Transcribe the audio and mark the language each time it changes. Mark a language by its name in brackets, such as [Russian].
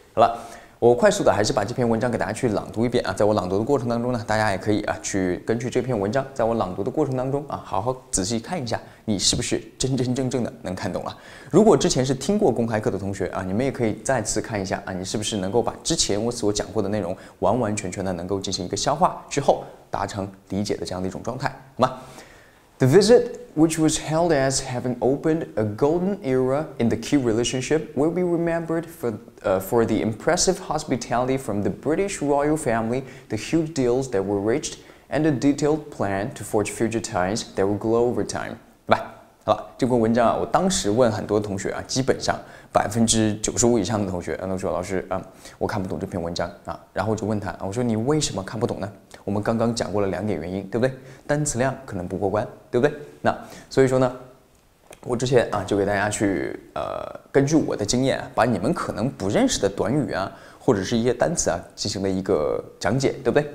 [Chinese] 好了，我快速的还是把这篇文章给大家去朗读一遍啊，在我朗读的过程当中呢，大家也可以啊去根据这篇文章，在我朗读的过程当中啊，好好仔细看一下，你是不是真真正正的能看懂了。如果之前是听过公开课的同学啊，你们也可以再次看一下啊，你是不是能够把之前我所讲过的内容完完全全的能够进行一个消化之后，达成理解的这样的一种状态，好吗？ [English] The visit, which was held as having opened a golden era in the key relationship, will be remembered for the impressive hospitality from the British royal family, the huge deals that were reached, and a detailed plan to forge future ties that will glow over time. [Chinese] 好了，这篇文章啊，我当时问很多同学啊，基本上95%以上的同学都说，老师啊，我看不懂这篇文章啊。然后我就问他，我说你为什么看不懂呢？我们刚刚讲过了两点原因，对不对？单词量可能不过关，对不对？那所以说呢，我之前啊就给大家去根据我的经验，把你们可能不认识的短语啊，或者是一些单词啊，进行了一个讲解，对不对？